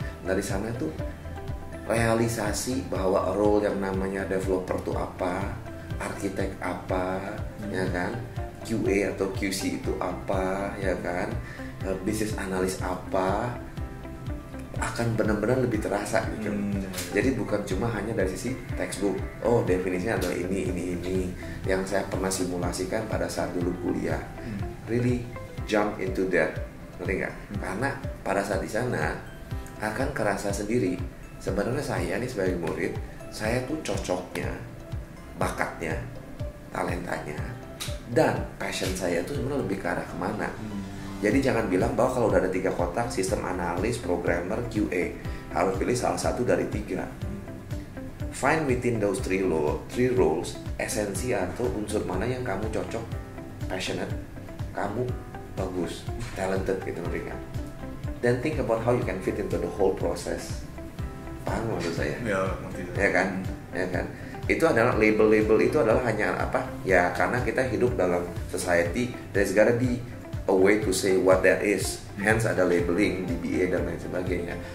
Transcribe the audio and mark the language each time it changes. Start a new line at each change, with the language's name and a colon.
Indonesian: Dari sana itu realisasi bahwa role yang namanya developer itu apa, arsitek apa, ya kan, QA atau QC itu apa, ya kan, business analyst apa, akan benar-benar lebih terasa gitu. Jadi bukan cuma hanya dari sisi textbook, oh definisinya adalah ini yang saya pernah simulasikan pada saat dulu kuliah.
English: Really jump into that,
Indonesian: ngerti nggak? Karena pada saat di sana akan kerasa sendiri, sebenarnya saya nih sebagai murid, saya tuh cocoknya, bakatnya, talentanya, dan passion saya tuh sebenarnya lebih ke arah kemana. Jadi jangan bilang bahwa kalau udah ada 3 kotak, sistem analis, programmer, QA, harus pilih salah satu dari 3.
English: Find within those three roles,
Indonesian: esensi atau unsur mana yang kamu cocok, passionate, kamu bagus, talented gitu mendingan.
English: Then think about how you can fit into the whole process.
Indonesian: Paham maksud saya? Ya kan? Itu adalah label-label, itu adalah hanya apa? Ya karena kita hidup dalam society,
English: there's gotta be a way to say what that is.
Indonesian: Hence ada labeling, DBA dan lain sebagainya.